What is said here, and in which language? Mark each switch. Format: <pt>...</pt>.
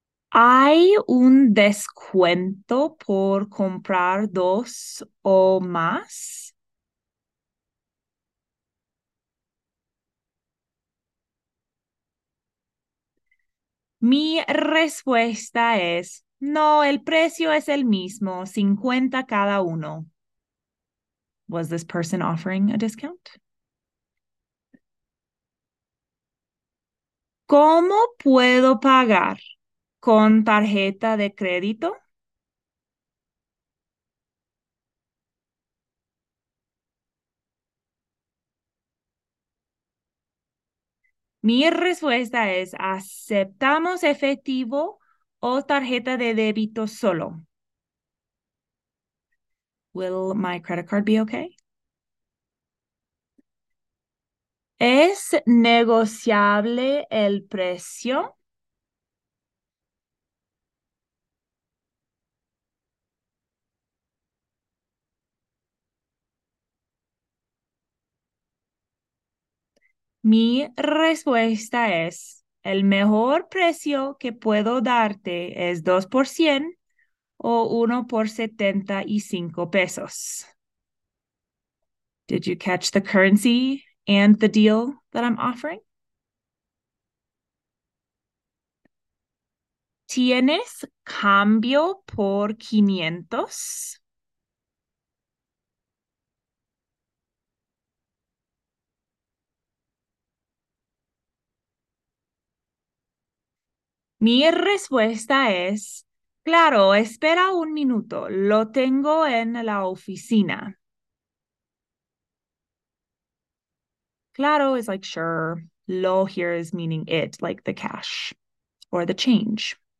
<es>¿Hay un descuento por comprar dos o más? Mi respuesta es, no, el precio es el mismo, 50 cada uno.</es> <en>Was this person offering a discount?</en> <es>¿Cómo puedo pagar? ¿Con tarjeta de crédito? Mi respuesta es, aceptamos efectivo o tarjeta de débito solo.</es> <en>Will my credit card be okay?</en> <es>¿Es negociable el precio? Mi respuesta es, el mejor precio que puedo darte es 2% o 1 por 75 pesos.</es> <en>Did you catch the currency and the deal that I'm offering?</en> <es>¿Tienes cambio por 500? Mi respuesta es, claro, espera un minuto, lo tengo en la oficina.</es> <en>Claro is like sure. Lo here is meaning it, like the cash or the change.</en>